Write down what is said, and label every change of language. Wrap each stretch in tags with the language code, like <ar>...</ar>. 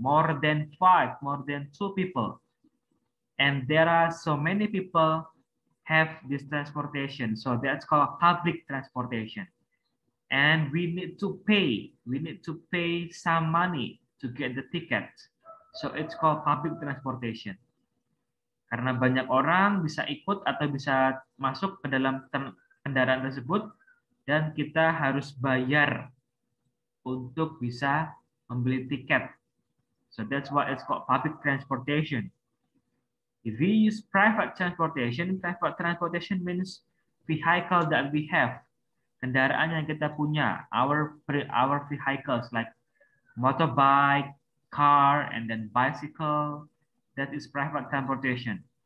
<en>More than five, more than two people. And there are so many people have this transportation. So that's called public transportation. And we need to pay. We need to pay some money to get the ticket. So it's called public transportation.</en> <id>Karena banyak orang bisa ikut atau bisa masuk ke dalam kendaraan tersebut dan kita harus bayar untuk bisa membeli tiket.</id> <en>So that's why it's called public transportation. If we use private transportation means vehicle that we have, kendaraan yang kita punya, our vehicles like motorbike, car, and then bicycle, that is private transportation.</en>